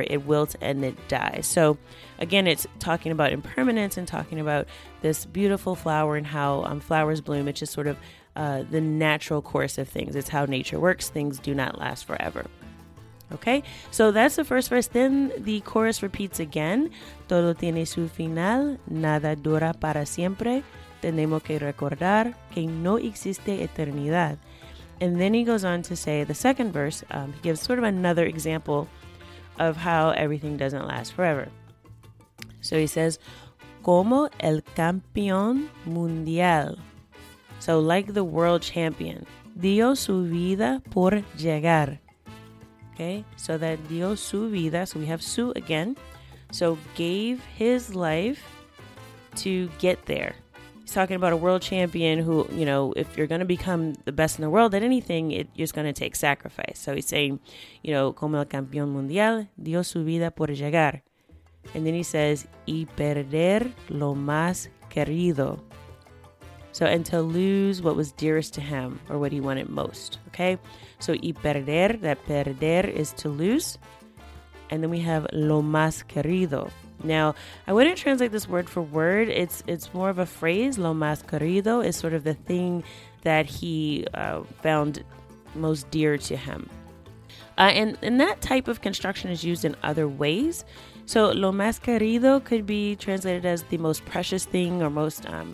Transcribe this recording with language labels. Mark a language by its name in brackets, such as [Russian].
[English] It wilts and it dies. So again, it's talking about impermanence and talking about this beautiful flower and how flowers bloom. It's just sort of the natural course of things. It's how nature works. Things do not last forever. Okay, so that's the first verse. Then the chorus repeats again. [Spanish] Todo tiene su final, nada dura para siempre. Tenemos que recordar que no existe eternidad. [English] And then he goes on to say the second verse. He gives sort of another example of how everything doesn't last forever. So he says, como el campeón mundial. So like the world champion, [Spanish] dio su vida por llegar. [English] Okay, so that [Spanish] dio su vida, [English] so we have su again, so gave his life to get there. He's talking about a world champion who, you know, if you're going to become the best in the world at anything, it's going to take sacrifice. So he's saying, you know, [Spanish] como el campeón mundial, dio su vida por llegar. [English] And then he says, [Spanish] y perder lo más querido. [English] So, and to lose what was dearest to him or what he wanted most, okay? So, [Spanish] y perder, [English] that perder is to lose. And then we have [Spanish] lo más querido. [English] Now, I wouldn't translate this word for word. It's more of a phrase. [Spanish] Lo más querido [English] is sort of the thing that he found most dear to him. And that type of construction is used in other ways. So, [Spanish] lo más querido [English] could be translated as the most precious thing or most...